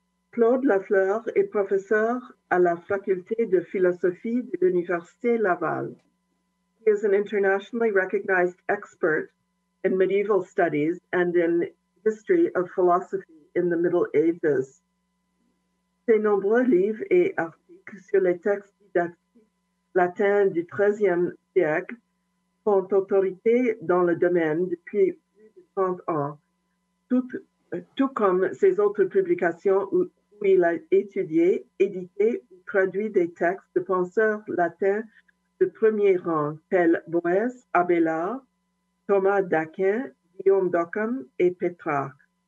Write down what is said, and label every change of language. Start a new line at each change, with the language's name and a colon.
French: Claude Lafleur est professeur à la Faculté de philosophie de l'Université Laval.
English: He is an internationally recognized expert in medieval studies and in history of philosophy in the Middle Ages.
French: Ses nombreux livres et articles sur les textes didactiques latins du XIIIe siècle font autorité dans le domaine depuis plus de 30 ans, tout comme ses autres publications où il a étudié, édité ou traduit des textes de penseurs latins de premier rang, tels Boèce, Abélard, Thomas d'Aquin, Guillaume d'Ockham et Pétrarque.